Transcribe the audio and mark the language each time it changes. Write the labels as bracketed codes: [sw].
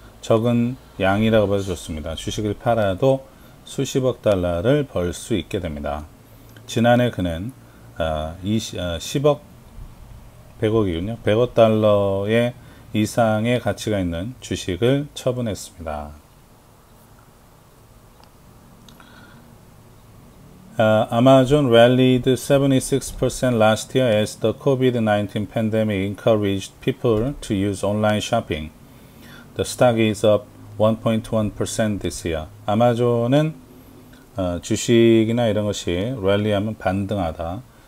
[ko] 적은 양이라고 봐도 좋습니다. 주식을 팔아도 수십억 달러를 벌수 있게 됩니다. 지난해 그는 10억 100억이군요. 100억 달러의 이상의 가치가 있는 주식을 처분했습니다. [en] Amazon rallied 76% last year as the COVID-19 pandemic encouraged people to use online shopping. The stock is up 1.1% this year. [ko] 아마존은 주식이나 이런 것이 랠리하면 반등하다.